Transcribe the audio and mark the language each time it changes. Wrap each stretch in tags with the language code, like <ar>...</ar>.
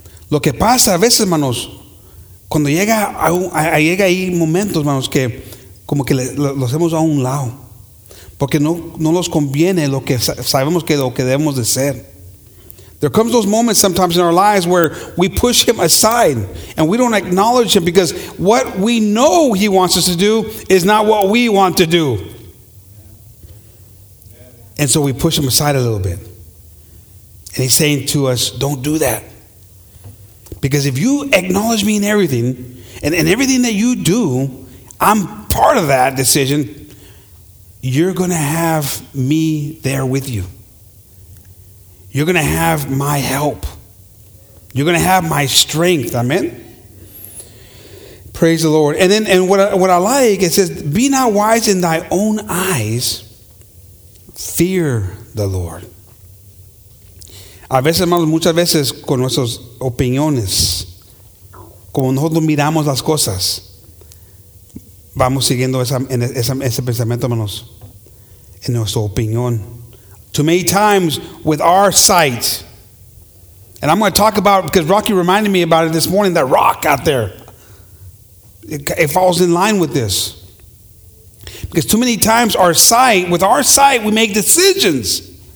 <es>Lo que pasa a veces, hermanos, cuando llega ahí momentos, hermanos, que como que lo hacemos a un lado. Porque no nos conviene lo que sabemos que lo que debemos de ser.</es> <en>There comes those moments sometimes in our lives where we push Him aside and we don't acknowledge Him because what we know He wants us to do is not what we want to do. And so we push Him aside a little bit. And He's saying to us, don't do that. Because if you acknowledge me in everything, and everything that you do, I'm part of that decision, you're going to have me there with you. You're going to have my help. You're going to have my strength. Amen? Praise the Lord. And then, and what I like, it says, be not wise in thy own eyes. Fear the Lord.</en> <es>A veces, hermanos, muchas veces con nuestras opiniones, como nosotros miramos las cosas, vamos siguiendo ese pensamiento, hermanos, en nuestra opinión.</es> <en>Too many times with our sight, and I'm going to talk about, because Rocky reminded me about it this morning, that rock out there, it falls in line with this. Because too many times with our sight, we make decisions.</en>